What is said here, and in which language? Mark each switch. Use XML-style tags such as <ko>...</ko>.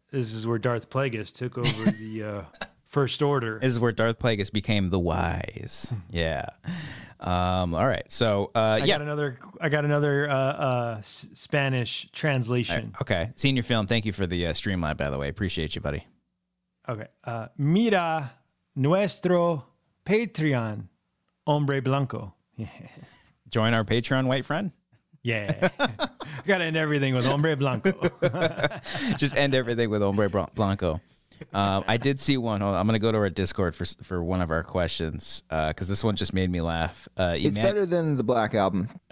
<en>This is where Darth Plagueis took over the First Order. This is where Darth Plagueis became the wise. Yeah. All right. So, I got another Spanish translation. Right. Okay. Senior film. Thank you for the stream live, by the way. Appreciate you, buddy. Okay.</en> <es>Mira nuestro Patreon, hombre blanco.</es> <en>Join our Patreon, white friend. Yeah. I got to end everything with</en> <es>hombre blanco.</es> <en>Just end everything with</en> <es>hombre blanco.</es> <en>I did see one. Hold on. I'm going to go to our Discord for one of our questions, because this one just made me laugh. It's better than the Black Album.</en>